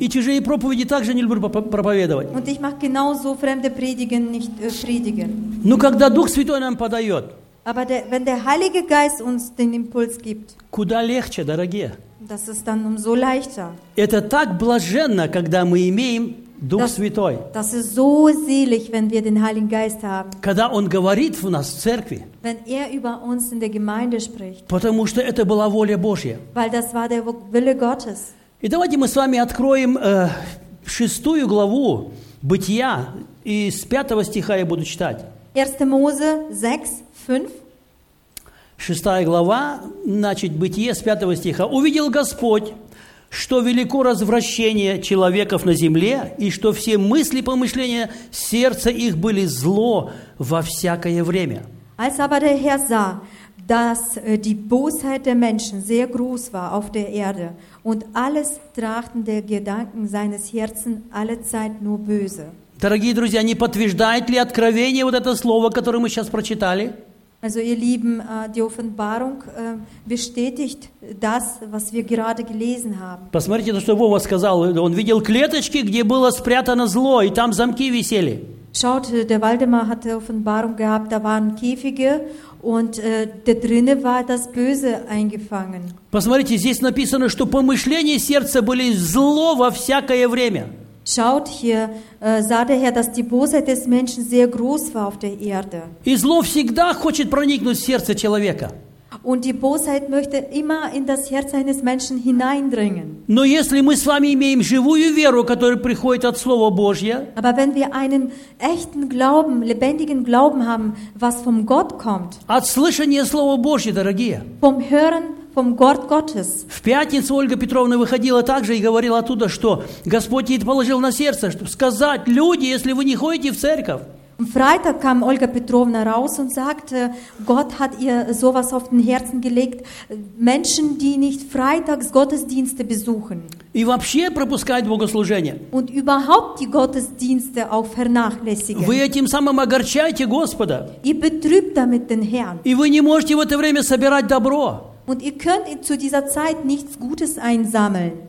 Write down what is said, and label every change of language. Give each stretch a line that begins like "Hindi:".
Russian: И чужие проповеди также не люблю проповедовать.
German: Und ich mag genauso fremde Predigen nicht predigen.
Russian: Но когда Дух Святой нам подает,
German: aber wenn der Heilige Geist uns den Impuls gibt,
Russian: куда легче, дорогие.
German: Das ist dann umso leichter.
Russian: Это так блаженно, когда мы имеем Дух Святой.
German: Das ist so selig, wenn wir den Heiligen Geist haben.
Russian: Когда Он говорит в нас в церкви.
German: Wenn er über uns in der Gemeinde spricht.
Russian: Потому что это была воля Божья.
German: Weil das war der Wille Gottes.
Russian: И давайте мы с вами откроем шестую главу Бытия, и с пятого стиха я буду читать.
German: 1 Mose 6, 5.
Russian: Шестая глава, значит, Бытие с пятого стиха. «Увидел Господь, что велико развращение человеков на земле, и что все мысли и помышления сердца их были зло во всякое время».
German: Als aber der Herr sah, dass die Bosheit der Menschen sehr groß war auf der Erde und alles trachten der Gedanken seines Herzens allezeit nur böse.
Russian: Дорогие друзья, не подтверждает ли откровение вот это слово, которое мы сейчас прочитали?
German: Also ihr Lieben, die Offenbarung bestätigt das, was wir gerade gelesen haben.
Russian: Посмотрите, то, что Вова сказал. Он видел клеточки, где было спрятано зло, и там замки висели.
German: Schaut, der Waldemar hatte Offenbarung gehabt, da waren Käfige und da drinnen war das Böse eingefangen.
Russian: Посмотрите, здесь написано, что помышления сердца были зло во всякое время.
German: Schaut hier, sah der Herr, dass die Bosheit des Menschen sehr groß war auf der Erde.
Russian: И зло всегда хочет проникнуть в сердце человека.
German: Und die Bosheit möchte immer in das Herz eines Menschen hineindringen.
Russian: Но если мы с вами имеем живую веру, которая приходит от Слова Божьего,
German: aber wenn wir einen echten Glauben, lebendigen Glauben haben, was vom Gott kommt,
Russian: от слышания Слова Божьего, дорогие,
German: vom Hören vom Wort Gottes.
Russian: В пятницу Ольга Петровна выходила также и говорила оттуда, что Господь ей положил на сердце, чтобы сказать, люди, если вы не ходите в церковь,
German: am Freitag kam Olga Petrovna raus und sagte, Gott hat ihr sowas auf den Herzen gelegt, Menschen, die nicht freitags Gottesdienste besuchen.
Russian: И вообще пропускают богослужение.
German: Und überhaupt die Gottesdienste auch vernachlässigen.
Russian: Вы этим самым огорчаете Господа.
German: И betrübt damit den Herrn.
Russian: И вы не можете в это время собирать добро.
German: Und ihr könnt zu dieser Zeit nichts Gutes einsammeln.